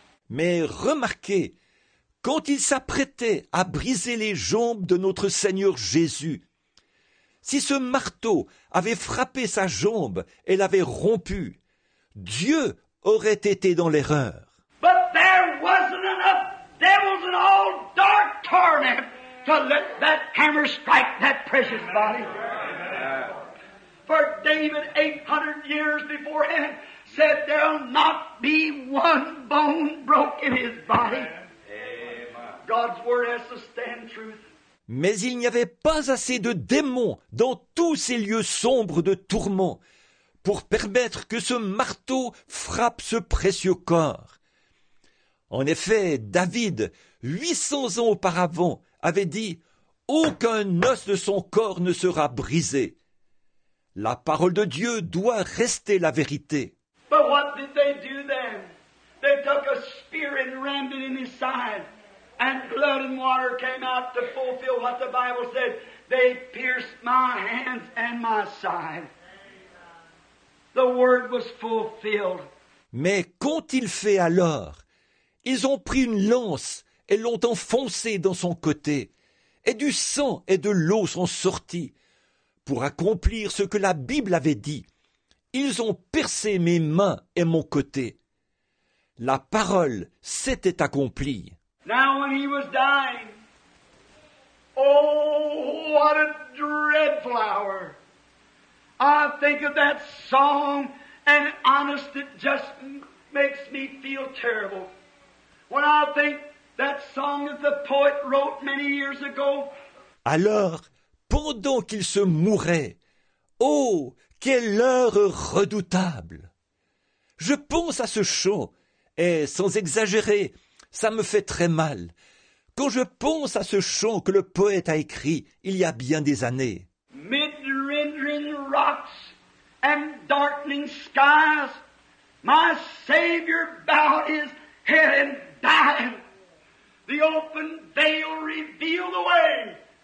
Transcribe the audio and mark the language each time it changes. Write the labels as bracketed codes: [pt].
[fr] Mais remarquez, quand il s'apprêtait à briser les jambes de notre Seigneur Jésus, si ce marteau avait frappé sa jambe et l'avait rompu, Dieu aurait été dans l'erreur. [en] But there wasn't enough devils in all dark torment to let that hammer strike that precious body. For David, 800 years beforehand, said there'll not be one bone broke in his body. God's word has to stand truth. [fr] Mais il n'y avait pas assez de démons dans tous ces lieux sombres de tourment pour permettre que ce marteau frappe ce précieux corps. En effet, David, 800 ans auparavant, avait dit « Aucun os de son corps ne sera brisé ». La parole de Dieu doit rester la vérité. [en] But what did they do then? They took a spear and rammed it in his side. And blood and water came out to fulfill what the Bible said. They pierced my hands and my side. The word was fulfilled. [fr] Mais qu'ont-ils fait alors? Ils ont pris une lance et l'ont enfoncée dans son côté. Et du sang et de l'eau sont sortis. Pour accomplir ce que la Bible avait dit, ils ont percé mes mains et mon côté. La parole s'était accomplie. [en] Now when he was dying, oh, what a dreadful hour. I think of that song, and honest, it just makes me feel terrible. When I think that song that the poet wrote many years ago. [fr] Alors, pendant qu'il se mourait, oh, quelle heure redoutable. Je pense à ce chant, et sans exagérer, ça me fait très mal quand je pense à ce chant que le poète a écrit il y a bien des années. [en] Mid rending rocks and darkening skies, my Savior bowed his head and died. The open veil revealed the way